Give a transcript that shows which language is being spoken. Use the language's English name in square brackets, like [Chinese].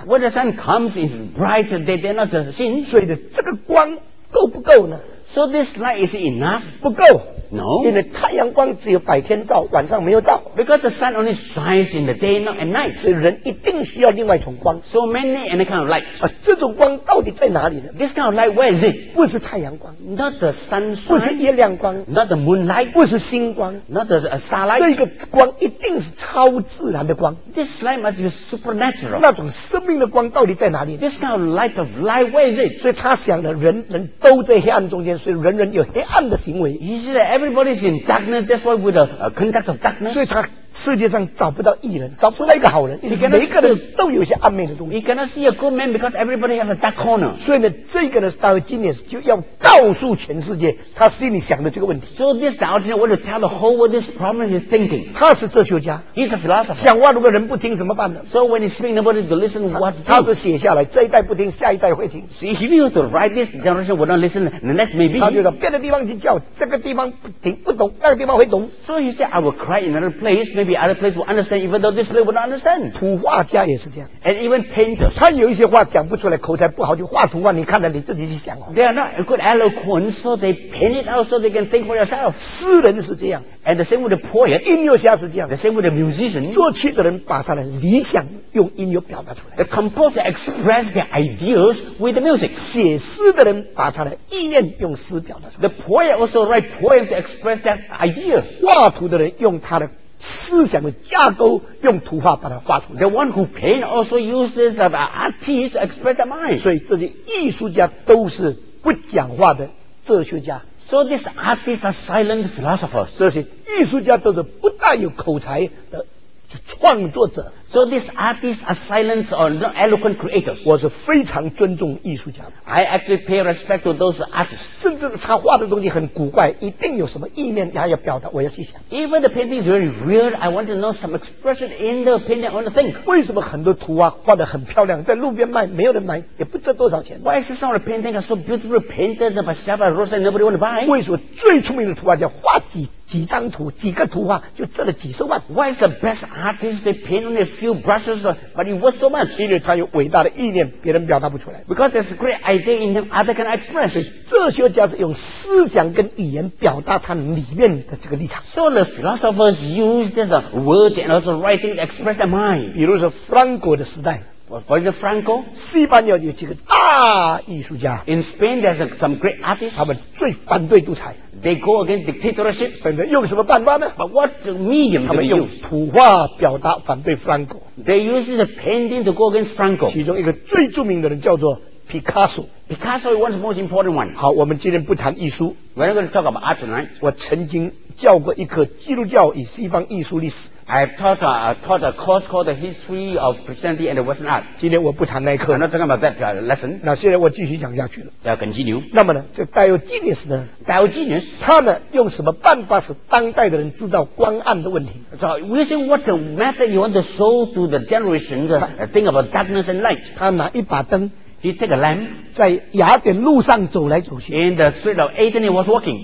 [English] When the sun comes is bright they dare not sin [Chinese] 所以这个光够不够呢 [English] So this light is enough [Chinese] 不够 [English] No [Chinese] 因为太阳光只有白天照晚上没有照 [English] Because the sun only shines in the day not at night [Chinese] 所以人一定需要另外一种光 [English] So many and a kind of light [Chinese] 啊，这种光到底在哪里呢 [English] This kind of light where is it [Chinese] 不是太阳光 [English] Not the sunshine [Chinese] 不是月亮光 [English] Not the moonlight [Chinese] 不是星光 [English] Not the starlight [Chinese] 这个光一定是超自然的光 [English] This light must be supernatural [Chinese] 那种生命的光到底在哪里呢 [English] This kind of light of light where is it [Chinese] 所以他想的人人都在黑暗中间所以人人有黑暗的行为 [English] He said that everybody is in darkness That's why with a conduct of darkness [Chinese] 所以他世界上找不到义人找不到一个好人每个人都有些暗昧的东西 [English] He cannot see a good man because everybody has a dark corner [Chinese] 所以呢这个呢到今年就要告诉全世界他心里想的这个问题 [English] So this doctrine will tell the whole world this problem he's thinking [Chinese] 他是哲学家 [English] He's a philosopher [Chinese] 想话如果人不听怎么办呢 [English] So when he speaks nobody to listen what to do [Chinese] 他都写下来这一代不听下一代会听 [English] See if you to write this generation will not listen the next maybe [Chinese] 他就到别的地方去叫这个地方不听不懂那个地方会懂 [English] So he said I will cry in another place maybe maybe other place will understand, even though this place will not understand. [Chinese] 图画家也是这样。 [English] And even painters. [Chinese] 他有一些话讲不出来，口才不好，就画图画，你看了你自己去想哦。 [English] They are not a good eloquent, so they paint it out so they can think for yourself. [Chinese] 诗人是这样。 [English] And the same with the poet. [Chinese] 音乐家是这样。 [English] The same with the musician. [Chinese] 作曲的人把他的理想用音乐表达出来。 [English] The composer express their ideas with the music. [Chinese] 写诗的人把他的意念用诗表达出来。 [English] The poet also write poems to express their ideas. [Chinese] 画图的人用他的思想的架构用图画把它画出来。 [English] The one who paint also uses the art piece to express their mind. [Chinese] 所以这些艺术家都是不讲话的哲学家。 [English] So these artists are silent philosophers. [Chinese] 这些艺术家都是不大有口才的创作者。 [English] So these artists are silent or not eloquent creators. [Chinese] 我是非常尊重艺术家的。 [English] I actually pay respect to those artists. [Chinese] 甚至他画的东西很古怪，一定有什么意念他要表达，我要去想。 [English] Even the painting is very weird, I want to know some expression in the painting, I want to think. [Chinese] 为什么很多图啊画得很漂亮，在路边卖，没有人买，也不知道多少钱。 [English] Why is some of the paintings are so beautifully painted by several roses and nobody want to buy? [Chinese] 为什么最出名的图画家画几张图，几个图画就挣了几十万。 [English] Why is the best artist they paint on a few brushes, but it works so much? [Chinese] 因为他有伟大的意念，别人表达不出来。 [English] Because there's a great idea in him, other can express. [Chinese] 哲学家是用思想跟语言表达他里面的这个立场。 [English] So the philosophers use this word and also writing to express their mind. [Chinese] 比如说 Franco 的时代。 [English] For the Franco, [Chinese] 西班牙有几个大艺术家。 [English] In Spain, there's some great artists. [Chinese] 他们最反对独裁。 [English] They go against dictatorship. [Chinese] 反对用什么办法呢 [English] ？But what medium? [Chinese] 他们用图画表达反对 Franco. [English] They use the painting to go against Franco. [Chinese] 其中一个最著名的人叫做 Picasso. [English] Picasso is one of the most important one. [Chinese] 好，我们今天不谈艺术。 [English] We're not going to talk about art tonight. [Chinese] 我曾经教过一课基督教与西方艺术历史。 [English] I've taught a course called the History of Christianity and the Western Art. [Chinese] 今天我不谈那一课。 [English] I'm not talking about that lesson. [Chinese] 那现在我继续讲下去了。要 [English] continue. [Chinese] 那么呢，这 Diogenes 呢 [English] ？Diogenes [Chinese] 他呢用什么办法使当代的人知道光暗的问题 [English] ？So using what the method you want to show to the generation the thing about darkness and light. [Chinese] 他拿一把灯。 [English] He took a lamp. [Chinese] 在雅典路上走来走去。 [English] In the street of Athens, he was walking.